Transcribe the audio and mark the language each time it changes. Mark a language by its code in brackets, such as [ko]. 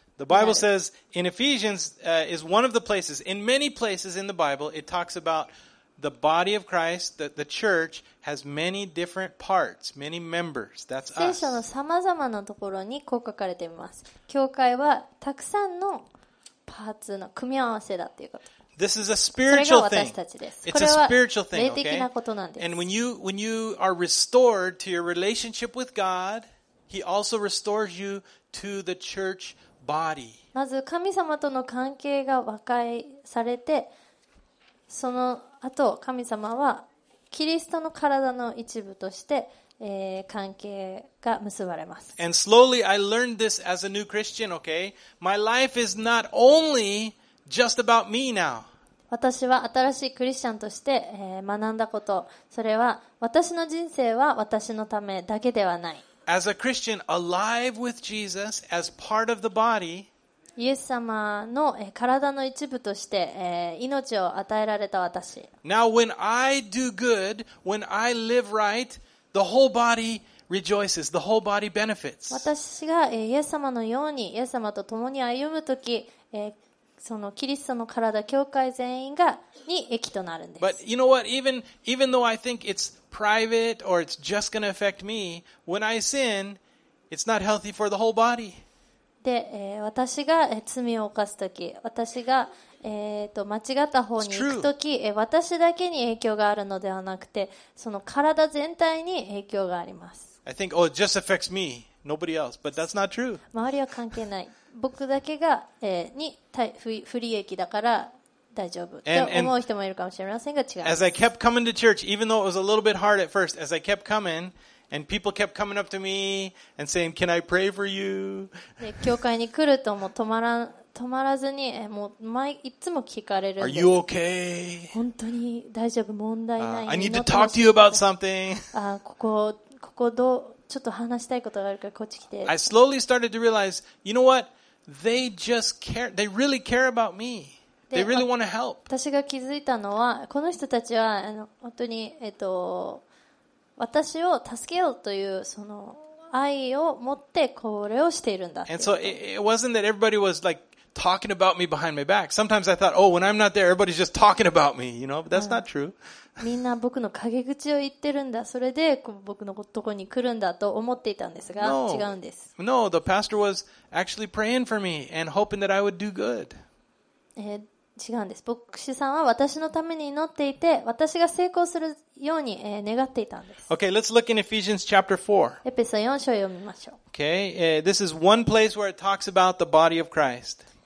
[en] The Bible says in Ephesians is one of the places, in many places in the Bible, it talks about the body of Christ, that the church has many different parts, many members. That's us. [ja] 聖書のさまざまなところにこう書かれています。教会はたくさんのパーツの組み合わせだということ。 [en] This is a spiritual thing. It's a spiritual thing, okay? And when you are restored to your relationship with God, He also restores you to the church body. [ja] まず神様との関係が和解されて、その後神様はキリストの体の一部として、関係が結ばれます。 [en] And slowly I learned this as a new Christian, okay? My life is not only just about me now. [ja] 私は新しいクリスチャンとして、学んだこと、それは私の人生は私のためだけではない。 [en] As a Christian, alive with Jesus as part of the body, [ja] イエス様の体の一部として命を与えられた私。 [en] Now, when I do good, when I live right, the whole body rejoices, the whole body benefits. [ja] 私がイエス様のようにイエス様と共に歩むとき、そのキリストの体、教会全員がに益となるんです。 [en] But you know what? Even though I think it's private or it's just going to affect me, when I sin, it's not healthy for the whole body. [ja] で、私が罪を犯すとき、私が間違った方に行くとき、私だけに影響があるのではなくて、その体全体に影響があります。 [en] I think, oh, it just affects me, nobody else. But that's not true. [ja] 周りは関係ない。僕だけが、に不利益だから大丈夫と思う人もいるかもしれませんが違います。 [en] As I kept coming to church, even though it was a little bit hard at first, as I kept coming, and people kept coming up to me and saying, "Can I pray for you?" [ja] 教会に来るともう止まらずに、もう毎いつも聞かれるんです。 [en] Are you okay? [ja] 本当に大丈夫問題ない。 [en] I need to talk to you about something. [ja] ここどうちょっと話したいことがあるからこっち来て。 [en] I slowly started to realize, you know what? They just care. They really care about me. They really want to help. [ja] 私が気づいたのは、この人たちは本当に私を助けようというその愛を持ってこれをしているんだ。 [en] And so it wasn't that everybody was like talking about me behind my back. Sometimes I thought, oh, when I'm not there, everybody's just talking about me, you know? But that's not true. [ja] みんな僕の陰口を言ってるんだ。それで僕のとこに来るんだと思っていたんですが、違うんです。 [en] No, the pastor was actually praying for me and hoping that I would do good. [ja] 違うんです。牧師さんは私のために祈っていて、私が成功するように、願っていたんです。 [en] Okay, let's look in Ephesians chapter 4. [ja] エペソ4章を読みましょう。 [en] Okay, this is one place where it talks about the body of Christ.